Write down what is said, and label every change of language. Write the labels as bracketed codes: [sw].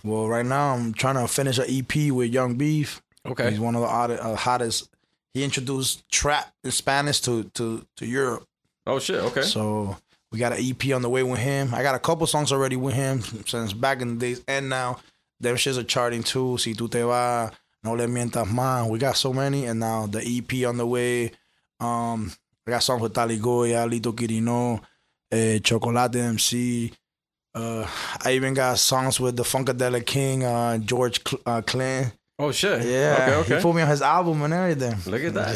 [en] Well, right now I'm trying to finish an EP with Young Beef. Okay. He's one of the hottest. He introduced trap in Spanish to Europe. Oh, shit. Okay. So we got an EP on the way with him. I got a couple songs already with him since back in the days. And now, them shits are charting too. [es] Si tu te vas, no le mientas más. [en] We got so many. And now the EP on the way. I got songs with Taligoya, Lito Quirino, Chocolate MC. I even got songs with the Funkadelic King, George Clint. Oh, shit. Yeah. Okay. He put me on his album and everything. Look at that.